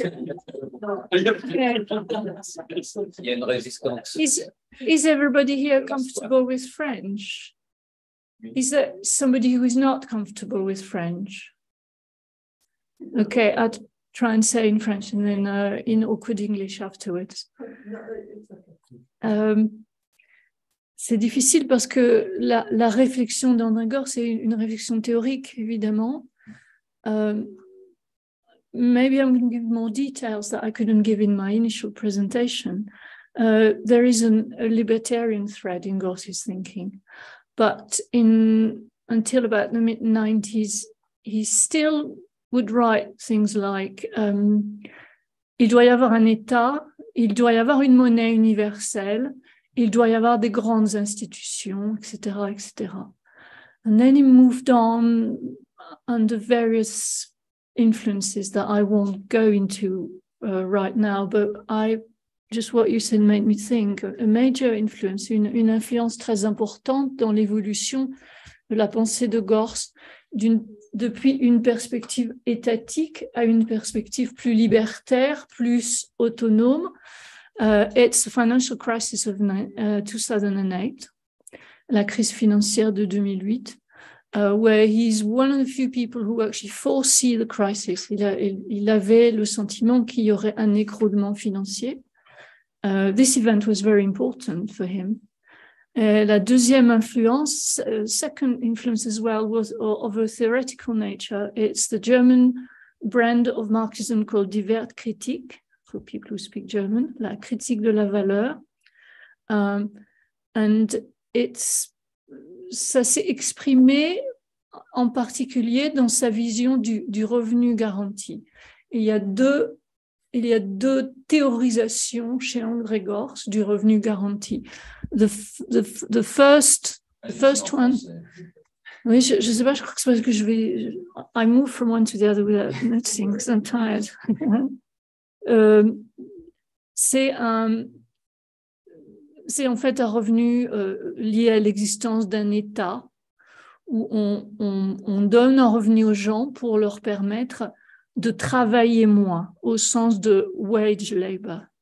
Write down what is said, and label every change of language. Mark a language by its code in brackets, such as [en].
[en] Is everybody here comfortable with French? Is there somebody who is not comfortable with French? Okay, I'd try and say in French and then in awkward English afterwards. [fr] C'est difficile parce que la réflexion d'André Gorz, c'est une réflexion théorique, évidemment. [en] Maybe I'm going to give more details that I couldn't give in my initial presentation. There is a libertarian thread in Gorz's thinking. But until about the mid-90s, he still would write things like, [fr] il doit y avoir un État, il doit y avoir une monnaie universelle, il doit y avoir des grandes institutions, etc., etc. [en] And then he moved on under various influences that I won't go into right now, but just what you said made me think. A major influence, [fr] une influence très importante dans l'évolution de la pensée de Gorz, depuis une perspective étatique à une perspective plus libertaire, plus autonome. [en] It's the financial crisis of 2008, [fr] la crise financière de 2008, [en] where he's one of the few people who actually foresee the crisis. [fr] Il avait le sentiment qu'il y aurait un écroulement financier. [en] This event was very important for him. [fr] La deuxième influence, [en] second influence as well, was of a theoretical nature. It's the German brand of Marxism called Die Wertkritik. For people who speak German, [fr] la critique de la valeur. And ça s'est exprimé en particulier dans sa vision du revenu garanti. Et il y a deux il y a deux théorisations chez André Gorz du revenu garanti. [en] The first one. [fr] Oui, je ne sais pas, je crois que c'est parce que je vais... [en] I move from one to the other without noticing, because I'm tired. [fr] c'est en fait un revenu lié à l'existence d'un État où on donne un revenu aux gens pour leur permettre de travailler moins, au sens de wage labor.